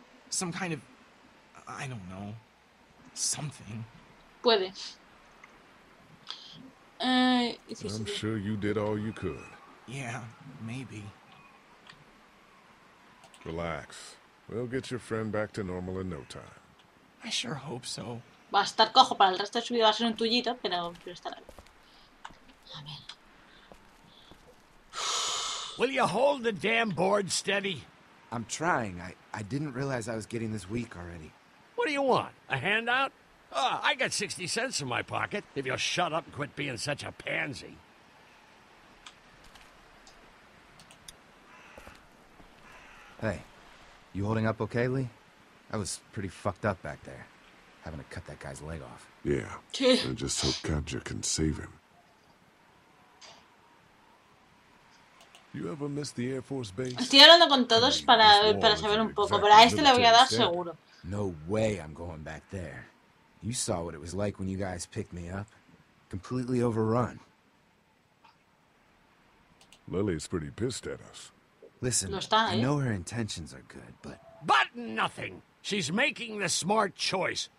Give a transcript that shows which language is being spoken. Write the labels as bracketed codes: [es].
[en] Some kind of... I don't know. Something. [es] Puede. [en] I'm sure you did all you could. Yeah, maybe. Relax. We'll get your friend back to normal in no time. I sure hope so. [es] Va a estar cojo para el resto de su vida, va a ser un tullito, pero estará bien. A ver. [en] Will you hold the damn board steady? I'm trying. I didn't realize I was getting this weak already. What do you want? A handout? Oh, I got 60 cents in my pocket, if you'll shut up and quit being such a pansy. Hey, you holding up okay, Lee? I was pretty fucked up back there, having to cut that guy's leg off. Yeah, I just hope Kaja can save him. You ever miss the Air Force base? [es] Estoy hablando con todos para saber un poco, pero a este le voy a dar seguro. [en] No way I'm going back there. You saw what it was like when you guys picked me up. Completely overrun. Lily's pretty pissed at us. Listen, I know her intentions are good, but... But nothing! She's making the smart choice.